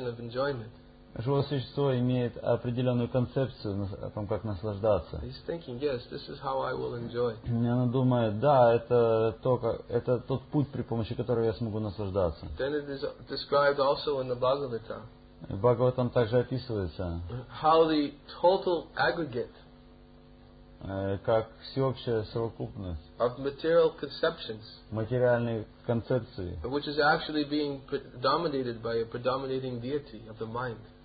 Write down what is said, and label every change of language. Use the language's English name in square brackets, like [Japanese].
[Russian] Живое существо имеет определенную концепцию о том, как наслаждаться. [English] He's thinking, yes, this is how I will enjoy. [Russian] И оно думает, да, это тот путь, при помощи которого я смогу наслаждаться. [English] Then it is described also in the Bhagavatam. [Russian] В Бхагаватам также описывается, [English] how the total aggregate, [Russian] как всеобщая совокупность [English] of material conceptions, [Russian] материальной концепции, [English] which is actually being dominated by a predominating deity of the mind.